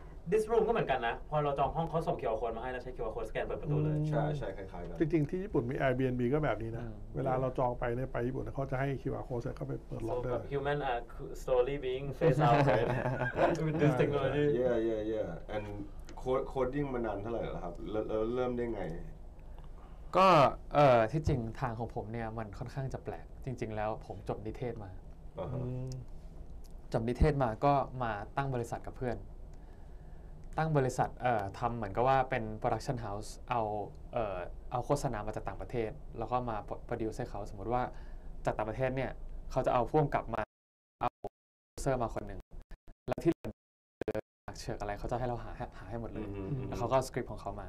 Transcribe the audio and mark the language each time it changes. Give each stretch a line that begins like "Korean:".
English: This room
Thai: ก็เหมือนกันนะพอเราจองห้องเขาส่ง QR code มาให้แล้วใช้ QR code สแกนเปิดประตูเลย ใช่ใช่คล้ายๆกันจริงๆที่ญี่ปุ่นมี Airbnb ก็แบบนี้นะเวลาเราจองไปเนี่ยไปญี่ปุ่นเขาจะให้ QR code เข้าไปเปิดล็อกได้
English: Human are slowly being phased out with this technology. Yeah.
Thai: And coding มานานเท่าไหร่แล้วครับเริ่มได้ไง ก็ที่จริงทางของผมเนี่ยมันค่อนข้างจะแปลกจริงๆแล้วผมจบนิเทศมาจบนิเทศมาก็มาตั้งบริษัทกับเพื่อนตั้งบริษัททำเหมือนกับว่าเป็นโปรดักชันเฮาส์เอาโฆษณามาจากต่างประเทศแล้วก็มาโปรดิวเซอร์เขาสมมติว่าจากต่างประเทศเนี่ยเขาจะเอาพ่วงกลับมาเอาโปรดิวเซอร์มาคนหนึ่งแล้วที่เชิญอะไรเขาจะให้เราหาให้หมดเลยแล้วเขาก็สคริปต์ของเขามา